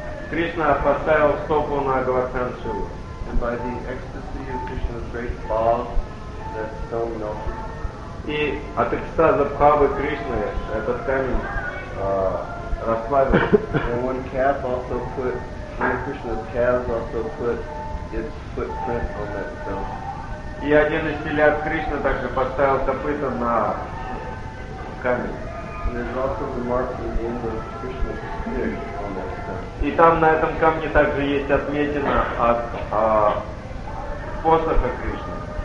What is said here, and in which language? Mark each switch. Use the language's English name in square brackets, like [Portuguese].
[Russian] Кришна поставил стопу на Говардхан Шилу. [English] And by the ecstasy of Krishna's great bhava, that stone melted. [Russian] И от экстаза бхавы Кришны этот камень расплавился. [English] And one calf also put, one of Krishna's calves also put its footprint on that stone. [Russian] И один из телят Кришны также поставил копыта на камень. [English] And there's also the marks of the end of Krishna's spear on that stone. [Russian] И там на этом камне также есть отметина от посоха Кришны.